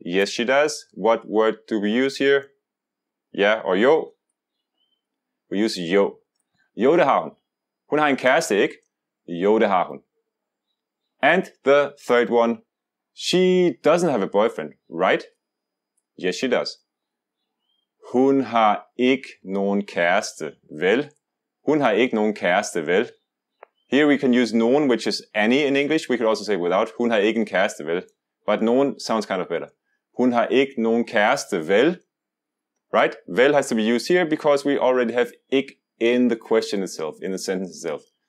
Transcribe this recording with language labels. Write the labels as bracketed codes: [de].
[en] Yes, she does. What word do we use here? Ja or jo? We use jo. [da] Jo, det har hun. [en] Hun har en kæreste, ikke? Jo, det har hun. And the third one. She doesn't have a boyfriend, right? Yes, she does. [da] Hun har ikke nogen kæreste, vel? Hun har ikke nogen kæreste, vel? [en] Here we can use nogen, which is any in English. We could also say without. [da] Hun har ikke en kæreste, vel? [en] But nogen sounds kind of better. [da] Hun har ikke nogen kæreste, vel? [en] Right? Vel has to be used here because we already have ikke in the question itself, in the sentence itself.